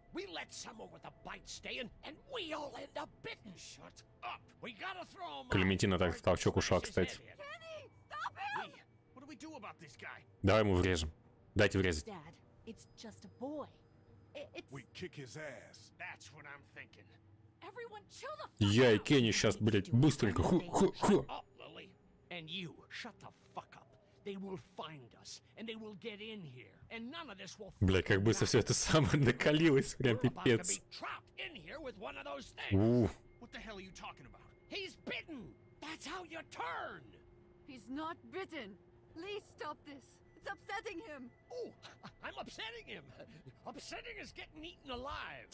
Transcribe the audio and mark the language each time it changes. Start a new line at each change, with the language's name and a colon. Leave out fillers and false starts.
English: We let someone with a bite stay in, and we all end up bitten. Shut up. We gotta throw him.
Russian: Клементина так в толчок ушла, кстати.
English: Kenny, stop him! Hey, what do we do about this guy?
Russian: Давай ему врежем. Дайте врезать.
English: Dad, it's just a boy. It's... We kick his ass. That's what I'm thinking.
Russian: Я и Кенни сейчас, блять, быстренько.
English: And you, shut the fuck up. They will find us, and they will get in here, and none of this will.
Russian: Бля, как быстро все это самое накалилось, прям пипец.
English: What the hell are you talking about? He's bitten. That's how you turn. He's not bitten. Lee, stop this. It's upsetting him. Oh, I'm upsetting him. Upsetting is getting eaten alive.